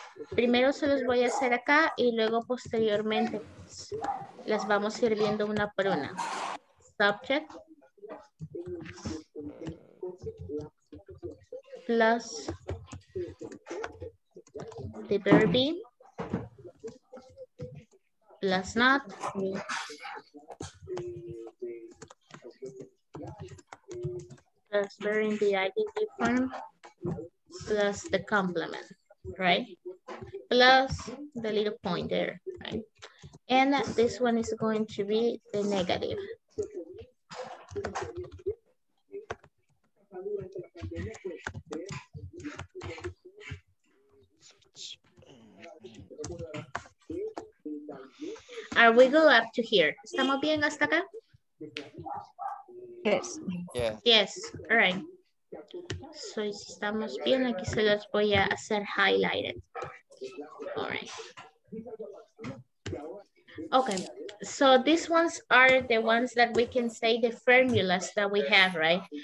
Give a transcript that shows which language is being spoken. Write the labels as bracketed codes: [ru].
[es] Primero se los voy a hacer acá y luego posteriormente las vamos a ir viendo una por una. [en] Subject plus the verb be plus not plus verb in the ing form plus the complement, right? Plus the little point there, right? And this one is going to be the negative. Are we good up to here? [es] ¿Estamos bien hasta acá? [en] Yes. Yeah. Yes. All right. [es] So, si estamos bien, aquí se los voy a hacer highlighted. [en] All right. Okay. So, these ones are the ones that we can say the formulas that we have, right?